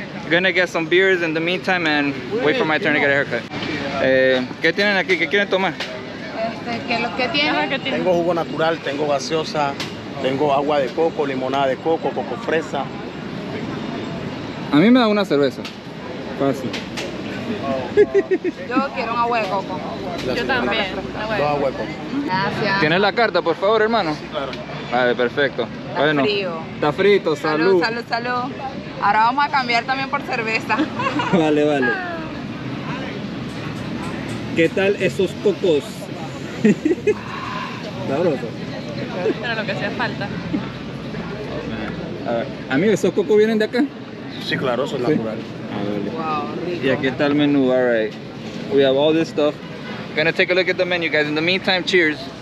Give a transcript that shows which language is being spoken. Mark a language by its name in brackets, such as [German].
[English] Gonna get some beers in the meantime and wait for my turn to get a haircut. [Spanish] ¿Qué tienen aquí? ¿Qué quieren tomar? ¿Qué tienen? Tengo jugo natural, tengo gaseosa, tengo agua de coco, limonada de coco fresa. A mí me da una cerveza. Fácil. Yo quiero un agua de coco. Yo también. Dos agua de coco. Gracias. ¿Tienes la carta, por favor, hermano? Sí, claro. Vale, perfecto. Está bueno, frío. Está frito, salud. Salud, salud, salud. Ahora vamos a cambiar también por cerveza. Vale, vale. ¿Qué tal esos cocos? Sabroso. Pero lo que hacía falta. A ver, amigo, ¿esos cocos vienen de acá? Sí, claro, son naturales. Wow, rico. Y aquí está el menú, [English] all right. We have all this stuff. Gonna take a look at the menu, guys. In the meantime, cheers.